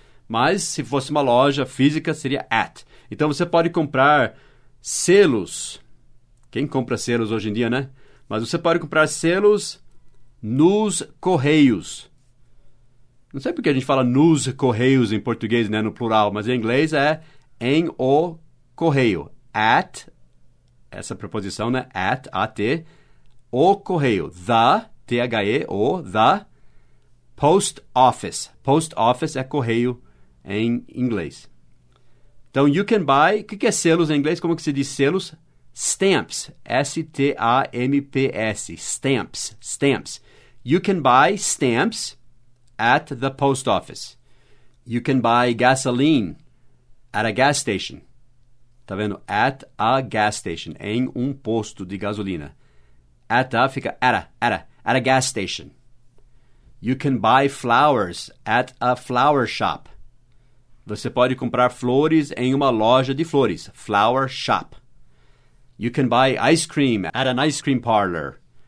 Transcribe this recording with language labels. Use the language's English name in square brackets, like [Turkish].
[Portuguese] Mas se fosse uma loja física, seria at. Então você pode comprar selos, quem compra selos hoje em dia, né? Mas você pode comprar selos nos correios. Não sei porque a gente fala nos correios em português, né, no plural, mas em inglês é em o correio. At, essa preposição, né? At, A-T, o correio. [English] The, T-H-E, o, the post office. [Portuguese] Post office é correio em inglês. Então, [English] you can buy, [Portuguese] o que é selos em inglês? Como que se diz selos? [English] Stamps, S-T-A-M-P-S, stamps, stamps. You can buy stamps at the post office. You can buy gasoline at a gas station. [Portuguese] Tá vendo? [English] At a gas station. [Portuguese] Em um posto de gasolina. [English] At a [Portuguese] fica [English] at a gas station. You can buy flowers at a flower shop. [Portuguese] Você pode comprar flores em uma loja de flores. [English] Flower shop. You can buy ice cream at an ice cream parlor.